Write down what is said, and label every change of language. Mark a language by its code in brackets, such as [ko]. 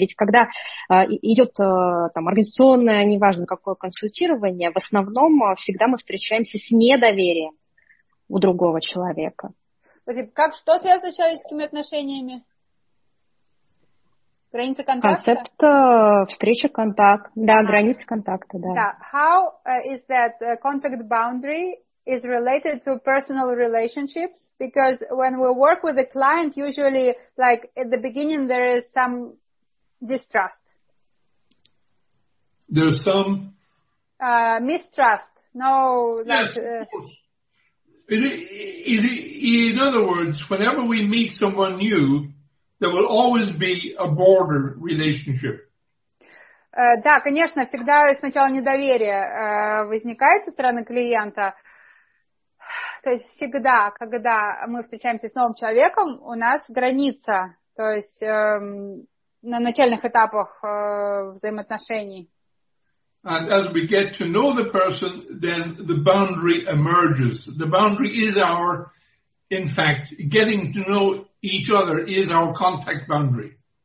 [ru] Ведь когда идет там организационное, неважно какое консультирование, в основном всегда мы встречаемся с недоверием. у другого человека. Как, что связано с человеческими отношениями? Граница контакта? Концепт встречи контакт. Да, граница контакта, да. [en] How is that contact boundary is related to personal relationships? Because when we work with a client, usually, like, at the beginning there is some distrust. There's some... Mistrust. No, yes, in other words, whenever we meet someone new, there will always be a border relationship. [ru] Да, конечно, всегда сначала недоверие возникает со стороны клиента. То есть всегда, когда мы встречаемся с новым человеком, у нас граница, то есть на начальных этапах взаимоотношений. [en] And as we get to know the person, then the boundary emerges. The boundary is our, in fact, getting to know each other is our contact boundary.